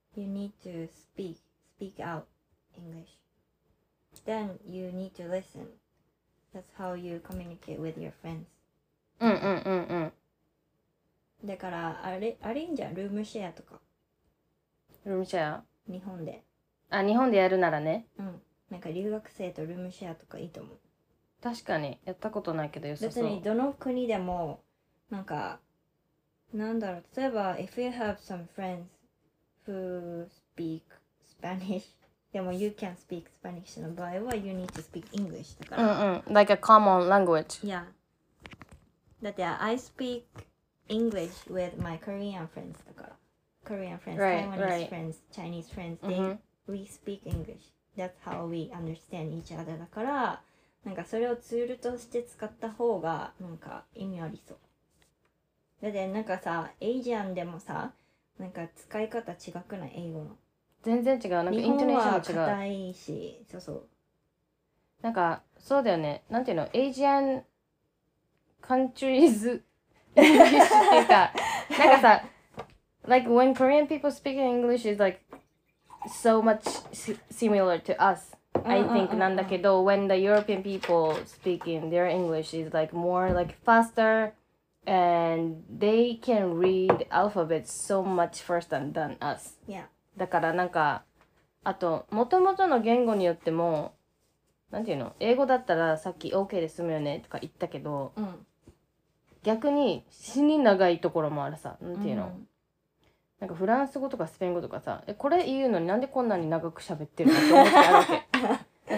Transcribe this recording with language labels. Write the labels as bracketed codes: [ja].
[en] You need to speak out English Then you need to listen That's how you communicate with your friends。うんうんうんうん、 [ja] だからあれいいんじゃん、ルームシェアとか。ルームシェア日本で、あ、日本でやるならね、うん、なんか留学生とルームシェアとかいいと思う。確かに、やったことないけど良さそう。別にどの国でもなんかなんだろう、例えば [en] If you have some friends who speak Spanish でも You can speak Spanish の場合は You need to speak English だから、うんうん、 Like a common language。 Yeah、 だって I speakEnglish with my Korean friends とか Korean friends, right, Taiwanese right. friends, Chinese friends they,、mm-hmm. We speak English That's how we understand each other [ja] だから、なんかそれをツールとして使った方がなんか意味ありそう。だってなんかさ、アジアンでもさ、なんか使い方違くない英語の。全然違う、なんかイントネーションが違う。日本は硬いし、そうそう、なんかそうだよね、なんていうの、 [en] アジアン countriesなんかさ like when Korean people speak English is like so much similar to us、I think、なんだけど、when the European people speak in their English is like more like faster and they can read alphabet so much faster than us、 yeah. [ja] だからなんか、あと元々の言語によってもなんていうの、英語だったらさっき OK で済むよねとか言ったけど、うん、逆に死に長いところもあるさ、なんていうの、うん、なんかフランス語とかスペイン語とかさ、え、これ言うのになんでこんなに長く喋ってるのって思ってあるわけ。